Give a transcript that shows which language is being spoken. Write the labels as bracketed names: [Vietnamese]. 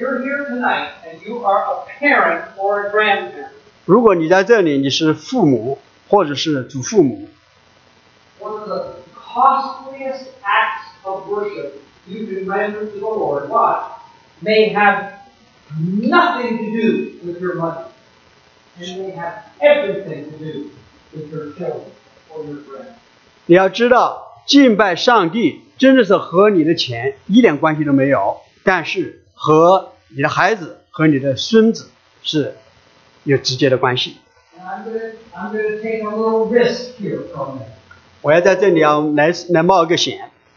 [English] you're here tonight and you are a parent or a grandparent. [Chinese] 如果你在这里，你是父母或者是祖父母。 [English] One of the costliest acts of worship. You can render to the Lord, what may have nothing to do with your money, and may have everything to do with your children or your friends. [Chinese] 你要知道，敬拜上帝真的是和你的钱一点关系都没有，但是和你的孩子和你的孙子是有直接的关系。 [English] I'm going to take a little risk here from me. [Chinese] 我要在这里要来冒一个险。